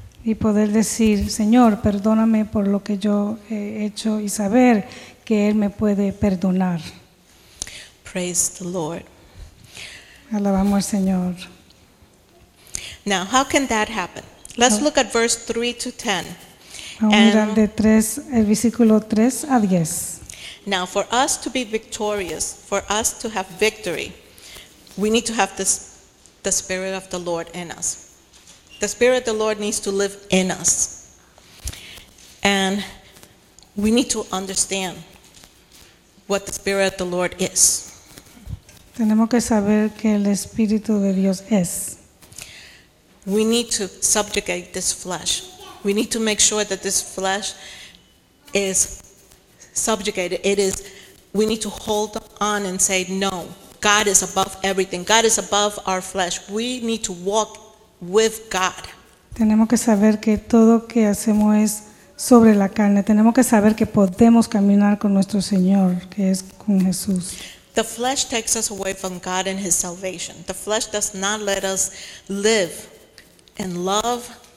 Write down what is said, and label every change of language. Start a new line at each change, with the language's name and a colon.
Spanish: Y poder decir, Señor, perdóname por lo que yo he hecho y saber que Él me puede perdonar.
English: Praise the Lord.
Spanish: Alabamos al Señor.
English: Now, how can that happen? Let's look at verse 3 to 10.
Spanish: Vamos a mirar de tres, el versículo 3 a 10.
English: Now, for us to be victorious, for us to have victory, we need to have this, the Spirit of the Lord in us. The Spirit of the Lord needs to live in us. And we need to understand what the Spirit of the Lord is.
Spanish: Tenemos que saber que el Espíritu de Dios es.
English: We need to subjugate this flesh. We need to make sure that this flesh is subjugated. It is, we need to hold on and say, no, God is above everything. God is above our flesh. We need to walk with God.
Spanish: Tenemos que saber que todo que hacemos es sobre la carne. Tenemos que saber que podemos caminar con nuestro Señor, que es con Jesús.
English: The flesh takes us away from God and His salvation. The flesh does not let us live in love.